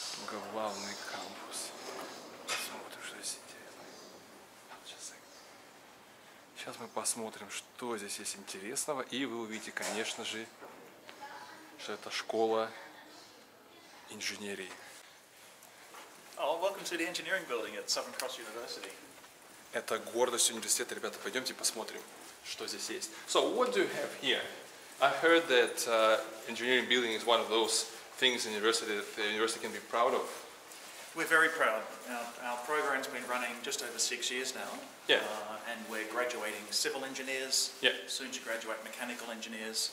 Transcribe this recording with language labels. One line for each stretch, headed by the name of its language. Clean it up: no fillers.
Russian: Главный кампус. Посмотрим, что здесь интересно. Сейчас мы посмотрим, что здесь есть интересного. И вы увидите, конечно же, что это школа инженерии.
English: Welcome to the engineering building at Southern Cross University.
Russian: Это гордость университета. Ребята, пойдемте посмотрим, что здесь есть.
English: So, what do you have here? I heard that engineering building is one of those things in university that the university can be proud of. We're very proud. Our program's been running just over 6 years now. Yeah. And we're graduating civil engineers. Yeah. Soon to graduate mechanical engineers.